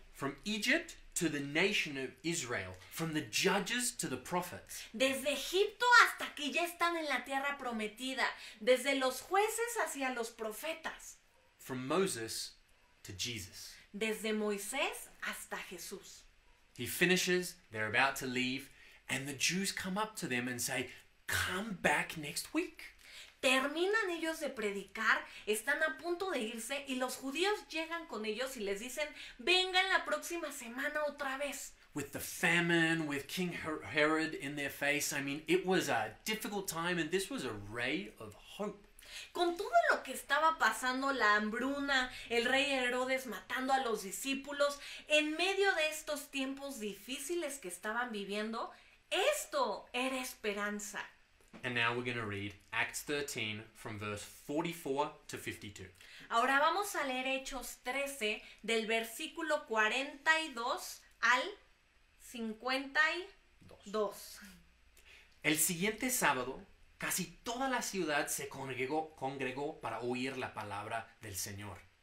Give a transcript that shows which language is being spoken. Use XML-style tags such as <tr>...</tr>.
<en>From Egypt to the nation of Israel, from the judges to the prophets.</en> <es>Desde Egipto hasta que ya están en la tierra prometida, desde los jueces hacia los profetas.</es> <en>From Moses to Jesus.</en> <es>Desde Moisés hasta Jesús.</es> <en>He finishes, they're about to leave, and the Jews come up to them and say, come back next week.</en> <es>Terminan ellos de predicar, están a punto de irse y los judíos llegan con ellos y les dicen, vengan la próxima semana otra vez.</es> <en>with the famine, with King Herod in their face. I mean, it was a difficult time, and this was a ray of hope.</en> <es>Con todo lo que estaba pasando, la hambruna, el rey Herodes matando a los discípulos, en medio de estos tiempos difíciles que estaban viviendo, esto era esperanza.</es> <en>And now we're going to read Acts 13 from verse 44 to 52.</en> <es>Ahora vamos a leer Hechos 13 del versículo 42 al 52. El siguiente sábado, casi toda la ciudad se congregó para oír la palabra del Señor.</es>